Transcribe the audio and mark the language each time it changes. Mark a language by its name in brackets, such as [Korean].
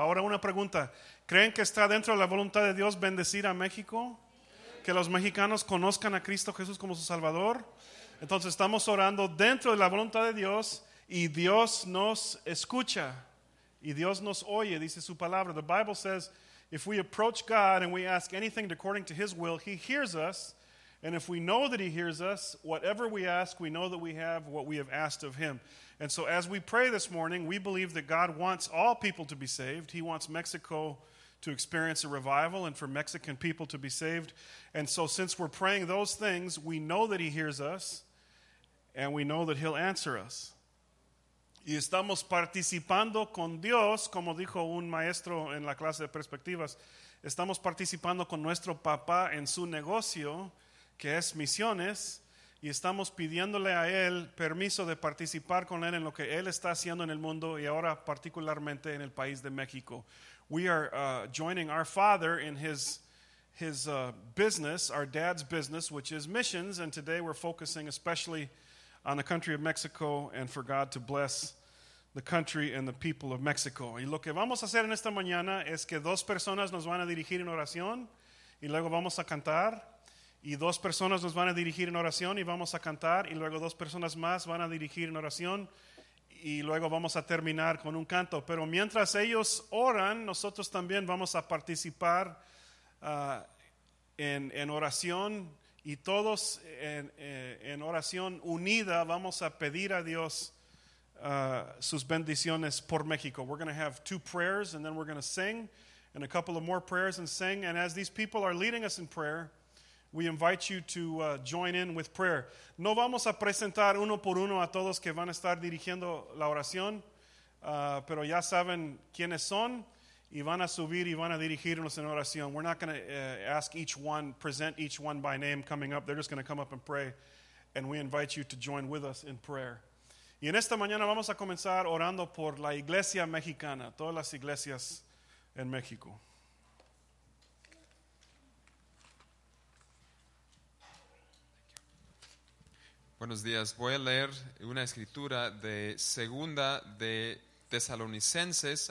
[Spanish] Ahora una pregunta: ¿creen que está dentro de la voluntad de Dios bendecir a México? ¿Que los mexicanos conozcan a Cristo Jesús como su Salvador? Entonces estamos orando dentro de la voluntad de Dios y Dios nos escucha y Dios nos oye, dice su palabra. [English] The Bible says, if we approach God and we ask anything according to His will, He hears us. And if we know that He hears us, whatever we ask, we know that we have what we have asked of Him. And so as we pray this morning, we believe that God wants all people to be saved. He wants Mexico to experience a revival and for Mexican people to be saved. And so since we're praying those things, we know that He hears us and we know that He'll answer us. [Spanish] Y estamos participando con Dios, como dijo un maestro en la clase de perspectivas. Estamos participando con nuestro papá en su negocio, que es misiones, y estamos pidiéndole a Él permiso de participar con Él en lo que Él está haciendo en el mundo y ahora particularmente en el país de México. [English] We are joining our father in his business, our dad's business, which is missions, and today we're focusing especially on the country of Mexico and for God to bless the country and the people of Mexico. [Spanish] Y lo que vamos a hacer en esta mañana es que dos personas nos van a dirigir en oración y luego vamos a cantar. Y dos personas nos van a dirigir en oración y vamos a cantar. Y luego dos personas más van a dirigir en oración y luego vamos a terminar con un canto. Pero mientras ellos oran, nosotros también vamos a participar en oración. Y todos en oración unida vamos a pedir a Dios sus bendiciones por México. [English] We're going to have two prayers and then we're going to sing. And a couple of more prayers and sing. And as these people are leading us in prayer, we invite you to join in with prayer. [Spanish] No vamos a presentar uno por uno a todos que van a estar dirigiendo la oración, pero ya saben quiénes son y van a subir y van a dirigirnos en oración. [English] We're not going to present each one by name coming up. They're just going to come up and pray, and we invite you to join with us in prayer. [Spanish] Y en esta mañana vamos a comenzar orando por la iglesia mexicana, todas las iglesias en México. Buenos días. Voy a leer una escritura de Segunda de Tesalonicenses.